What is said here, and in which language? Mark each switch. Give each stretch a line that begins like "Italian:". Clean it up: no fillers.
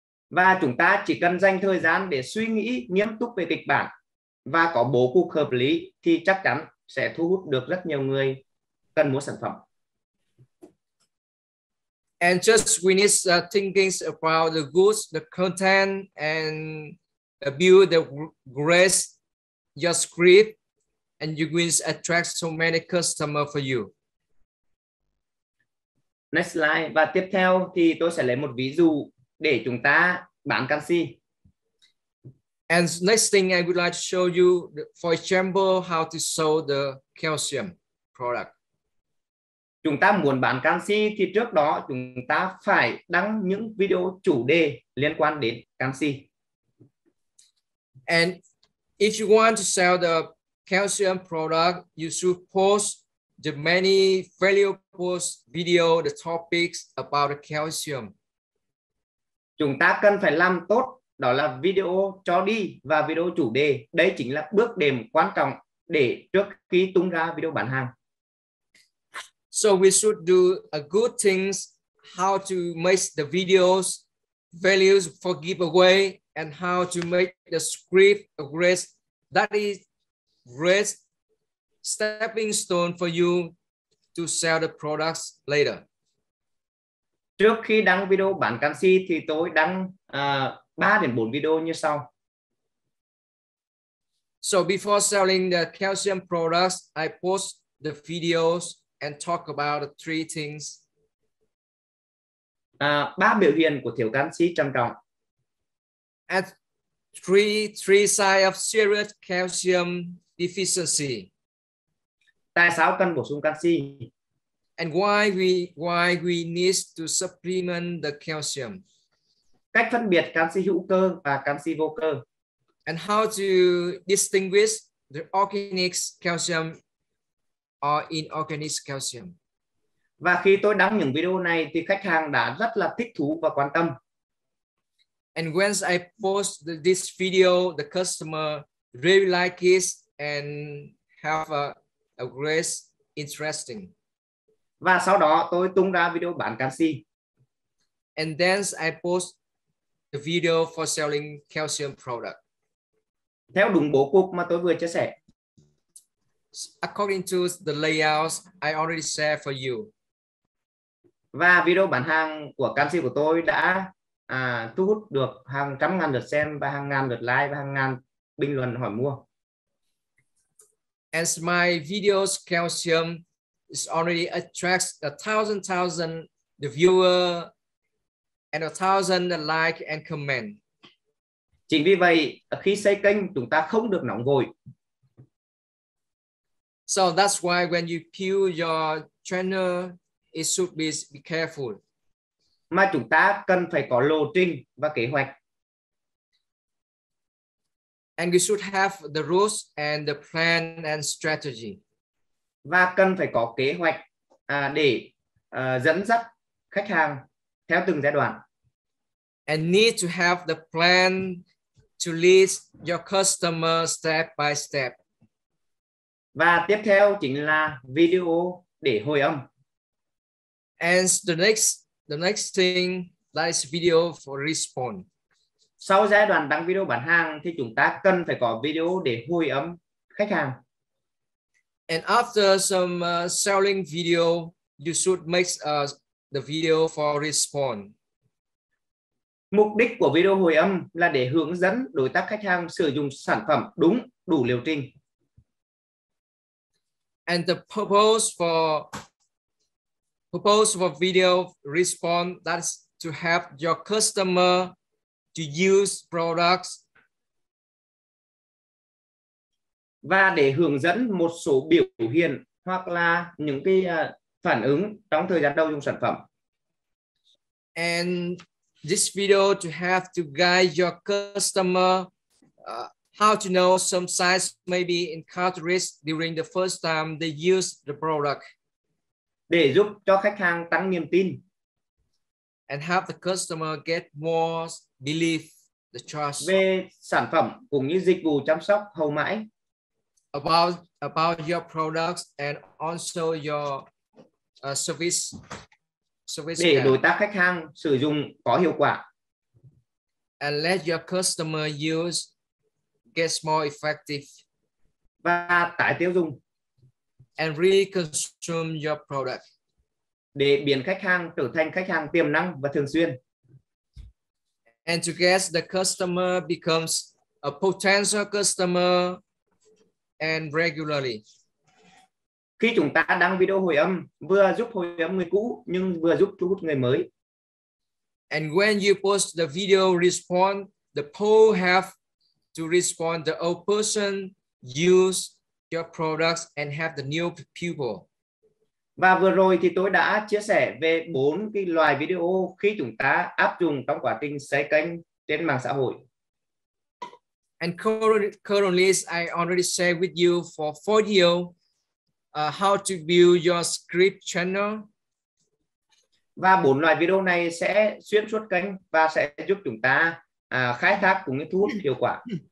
Vietnamese: Và chúng ta chỉ cần dành thời gian để suy nghĩ nghiêm túc về kịch bản và có bố cục hợp lý thì chắc chắn sẽ thu hút được rất nhiều người cần mua sản phẩm.
English: And just we need thinking about the goods, the content, and build the great your script, and you will attract so many customers for you. Next slide.
Vietnamese: Và tiếp theo thì tôi sẽ lấy một ví dụ để chúng ta bán canxi.
English: And next thing I would like to show you, for example, how to sell the calcium product.
Vietnamese: Chúng ta muốn bán canxi thì trước đó chúng ta phải đăng những video chủ đề liên quan đến canxi.
English: And if you want to sell the calcium product, you should post the many valuable video, the topics about the calcium.
Vietnamese: Chúng ta cần phải làm tốt đó là video cho đi và video chủ đề. Đây chính là bước đệm quan trọng để trước khi tung ra video bán hàng.
English: So we should do a good things how to make the videos values for giveaway and how to make the script a great, that is great stepping stone for you to sell the products later.
Vietnamese: Trước khi đăng video bán canxi thì tôi đăng 3 đến 4 video như sau.
English: So before selling the calcium products, I post the videos and talk about the 3 things.
Vietnamese: 3 biểu hiện của thiếu canxi trầm trọng.
English: At 3 signs of serious calcium deficiency.
Vietnamese: Tại sao cần bổ sung canxi?
English: And why we need to supplement the calcium.
Vietnamese: Cách phân biệt canxi hữu cơ và canxi vô cơ.
English: And how to distinguish the organic calcium or inorganic calcium.
Vietnamese: Và khi tôi đăng những video này thì khách hàng đã rất là thích thú và quan tâm.
English: And once I post this video, the customer really like it and have a great interesting.
Vietnamese: Và sau đó tôi tung ra video bán canxi.
English: And then I post the video for selling calcium product.
Vietnamese: Theo đúng bố cục mà tôi vừa chia sẻ.
English: According to the layouts I already share for you.
Vietnamese: Và video bán hàng của canxi của tôi đã thu hút được hàng trăm ngàn lượt xem và hàng ngàn lượt like và hàng ngàn bình luận hỏi mua.
English: As my videos calcium is already attracts a thousand the viewer and a thousand the like and comment.
Vietnamese: Chính vì vậy khi xây kênh chúng ta không được nóng vội.
English: So that's why when you kill your channel it should be careful.
Vietnamese: Mà chúng ta cần phải có lộ trình và kế hoạch.
English: And we should have the rules and the plan and strategy.
Vietnamese: Và cần phải có kế hoạch để dẫn dắt khách hàng theo từng giai đoạn.
English: And need to have the plan to lead your customer step by step.
Vietnamese: Và tiếp theo chính là video để hồi âm.
English: And the next thing that is video for response.
Vietnamese: Sau giai đoạn đăng video bán hàng thì chúng ta cần phải có video để hồi âm khách hàng.
English: And after some selling video, you should make the video for response.
Vietnamese: Mục đích của video hồi âm là để hướng dẫn đối tác khách hàng sử dụng sản phẩm đúng đủ liệu trình.
English: And the purpose for video response that's to help your customer to use products.
Vietnamese: Và để hướng dẫn một số biểu hiện hoặc là những cái phản ứng trong thời gian đầu dùng sản phẩm.
English: And this video to have to guide your customer how to know some signs maybe in cartridge during the first time they use the product.
Vietnamese: Để giúp cho khách hàng tăng niềm tin.
English: And have the customer get more belief, the trust.
Vietnamese: Về sản phẩm cũng như dịch vụ chăm sóc hậu mãi.
English: About your products and also your service
Vietnamese: để đối tác khách hàng sử dụng có hiệu quả.
English: And let your customer use get more effective
Vietnamese: và tái tiêu dùng.
English: And reconsume your product
Vietnamese: để biến khách hàng trở thành khách hàng tiềm năng và thường xuyên.
English: And to get the customer becomes a potential customer and regularly.
Vietnamese: Khi chúng ta đăng video hồi âm, vừa giúp hồi âm người cũ nhưng vừa giúp thu hút người mới.
English: And when you post the video respond, the poll have to respond the old person use your products and have the new people.
Vietnamese: Và vừa rồi thì tôi đã chia sẻ về 4 cái loại video khi chúng ta áp dụng trong quá trình xây kênh trên mạng xã hội.
English: And currently, I already share with you for 4 video how to build your script channel.
Vietnamese: Và 4 loại video này sẽ xuyên suốt kênh và sẽ giúp chúng ta khai thác cũng như thu hút hiệu quả.